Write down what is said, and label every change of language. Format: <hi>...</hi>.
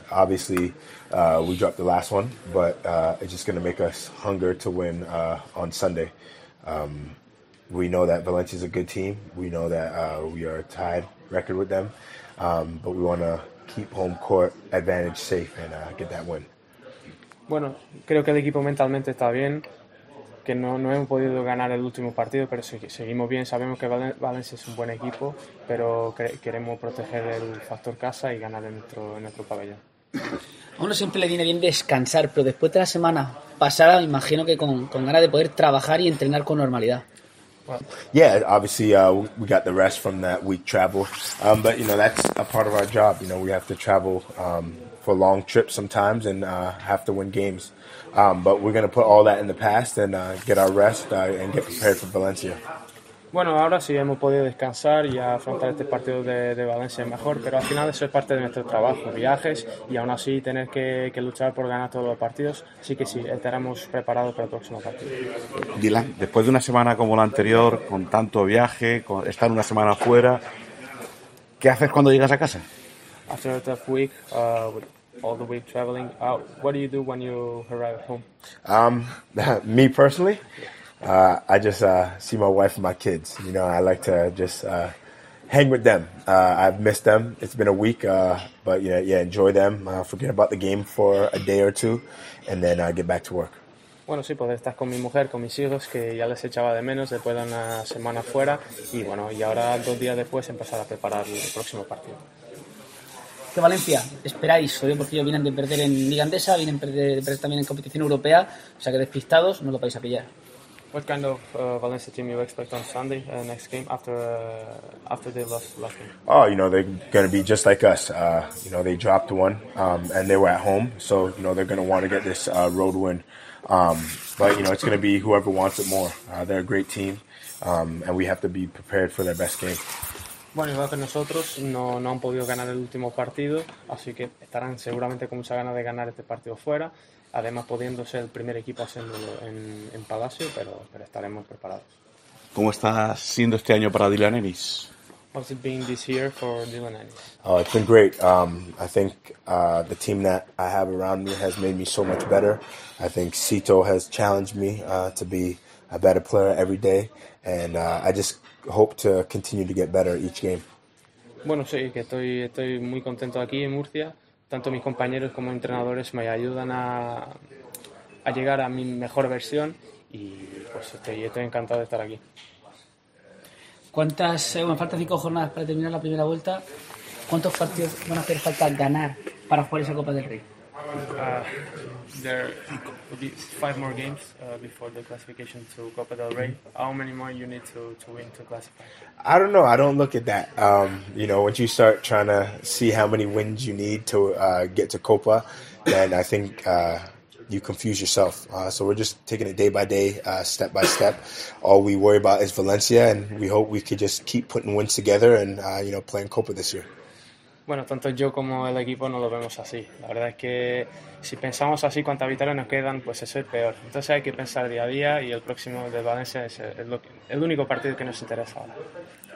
<en>Obviously, we dropped the last one, but it's just going to make us hunger to win on Sunday. We know that Valencia is a good team. We know that we are a tied record with them, but we want to keep home court advantage safe and get that win.</en> <es>Bueno, creo que el equipo mentalmente está bien, que no hemos podido ganar el último partido, pero seguimos bien. Sabemos que Valencia es un buen equipo, pero queremos proteger el factor casa y ganar en nuestro pabellón. A uno siempre le viene bien descansar, pero después de la semana pasada, me imagino que con ganas de poder trabajar y entrenar con normalidad.</es> <en>Yeah, obviously we got the rest from that week travel, but you know that's a part of our job. You know we have to travel for long trips sometimes and have to win games. But we're gonna put all that in the past and get our rest and get prepared for Valencia.</en> <es>Bueno, ahora sí hemos podido descansar y afrontar este partido de Valencia mejor, pero al final eso es parte de nuestro trabajo, viajes y aún así tener que luchar por ganar todos los partidos. Así que sí, estaremos preparados para el próximo partido. Dylan, después de una semana como la anterior, con tanto viaje, con estar una semana fuera, ¿qué haces cuando llegas a casa?</es> <en>After a tough week, all the week traveling, what do you do when you arrive home? Me personally. I just see my wife and my kids. You know, I like to just hang with them. I've missed them. It's been a week, but yeah, enjoy them. Forget about the game for a day or two, and then get back to work.</en> <es>Bueno, sí, pues estás con mi mujer, con mis hijos, que ya les echaba de menos después de una semana fuera, y bueno, y ahora dos días después empezar a preparar el próximo partido. ¿Qué Valencia esperáis? Obvio, porque ellos vienen de perder en Liga Andesa, vienen de perder también en competición europea, o sea que despistados, no lo vais a pillar.</es> <en>What kind of Valencia team you expect on Sunday, next game, after they lost last game? Oh, you know, they're going to be just like us. You know, they dropped one, and they were at home. So, you know, they're going to want to get this road win. But, you know, it's going to be whoever wants it more. They're a great team, and we have to be prepared for their best game.</en> <es>Bueno, igual que nosotros, no han podido ganar el último partido, así que estarán seguramente con mucha ganas de ganar este partido fuera. Además, pudiendo ser el primer equipo haciéndolo en Palacio, pero estaremos preparados. ¿Cómo está siendo este año para Dylan Ennis?</es> <en>How's it been this year for Dylan Ennis? Oh, it's been great. I think the team that I have around me has made me so much better. I think Cito has challenged me to be a better player every day, and I just hope to continue to get better each game.</en> <es>Bueno, sí, que estoy muy contento aquí en Murcia. Tanto mis compañeros como entrenadores me ayudan a llegar a mi mejor versión y pues estoy encantado de estar aquí. ¿Cuántas, bueno, faltan 5 jornadas para terminar la primera vuelta? ¿Cuántos partidos van a hacer falta ganar para jugar esa Copa del Rey?</es> <en>There will be 5 more games before the classification to Copa del Rey. How many more you need to win to classify? I don't know. I don't look at that. You know, once you start trying to see how many wins you need to get to Copa, then I think you confuse yourself. So we're just taking it day by day, step by step. All we worry about is Valencia, and we hope we could just keep putting wins together and you know, playing Copa this year.</en> <es>Bueno, tanto yo como el equipo no lo vemos así. La verdad es que si pensamos así cuántas victorias nos quedan, pues eso es peor. Entonces hay que pensar día a día y el próximo de Valencia es el único partido que nos interesa ahora.</es>